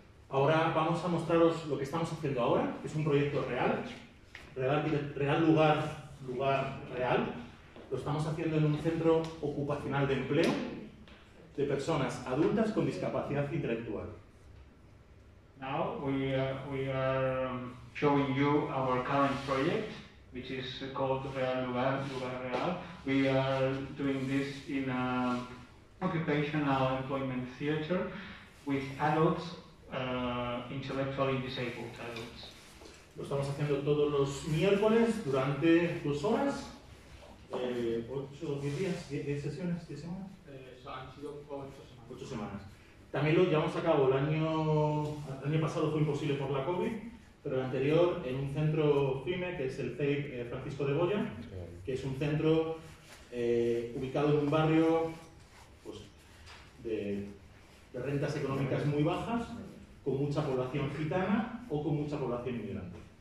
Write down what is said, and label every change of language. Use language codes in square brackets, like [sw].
[es] Ahora vamos a mostraros lo que estamos haciendo ahora, que es un proyecto real, real lugar real. Lo estamos haciendo en un centro ocupacional de empleo de personas adultas con discapacidad intelectual. [en] Now we are showing you our current project, which is called Real Lugar Real. We are doing this in a occupational employment theater with adults, intellectually disabled adults. [es] Lo estamos haciendo todos los miércoles durante 2 horas, 8 o 10 días, 10 sesiones, 10 semanas. Han sido 8 semanas. 8 semanas. También lo llevamos a cabo el año pasado, fue imposible por la COVID. Pero el anterior, en un centro FIME, que es el CEIP Francisco de Goya, que es un centro ubicado en un barrio de rentas económicas muy bajas, con mucha población gitana o con mucha población inmigrante.